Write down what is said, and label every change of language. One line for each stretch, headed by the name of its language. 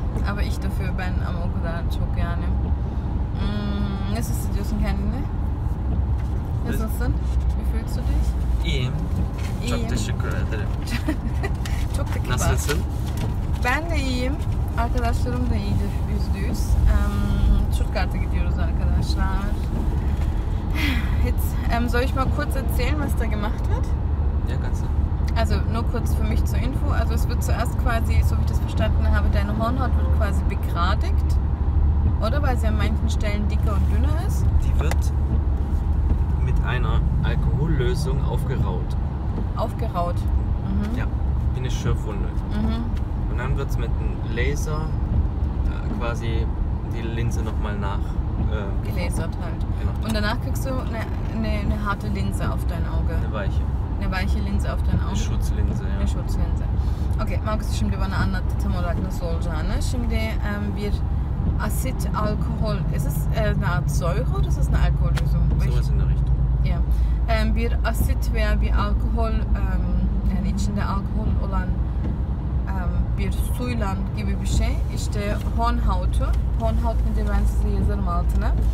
German: Aber ich dafür
Turkish: ben ama o kadar çok yani. Nasıl hissediyorsun kendini? Nasılsın?
German: Wie fühlst du dich?
Turkish: İyiyim. Çok teşekkür ederim. Çok da kibar. Nasılsın? Ben de iyiyim. Arkadaşlarım da iyidir. %100. Stuttgart'a gidiyoruz arkadaşlar.
German: Jetzt, soll ich mal kurz erzählen, was da gemacht wird? Ja, kannst du. Also nur kurz für mich zur Info. Also es wird zuerst quasi, so wie ich das verstanden habe, deine Hornhaut wird quasi begradigt. Oder? Weil sie an manchen Stellen dicker und dünner ist. Die wird mit einer Alkohollösung aufgeraut. Aufgeraut? Mhm. Ja, wie eine Schürfwunde. Mhm. Und dann wird es mit einem Laser quasi die Linse nochmal nach... Gelasert halt. Genau. Und danach kriegst du eine harte Linse auf dein Auge. Eine weiche. Eine weiche Linse auf dein Auge. Eine Schutzlinse, ja. Eine Schutzlinse.
Turkish: Okay, Markus, şimdi bana anlattı tam olarak nasıl olacağını. Şimdi bir Acid Alkohol,
German: ist es eine Art Säure oder ist es eine Alkohollösung? Sowas in der Richtung. Ja.
Turkish: Bir Acid veya bir Alkohol, yani içinde Alkohol olan bir suyla gibi bir şey. İşte Hornhaut'u, Hornhaut nedir ben size yazarım altına.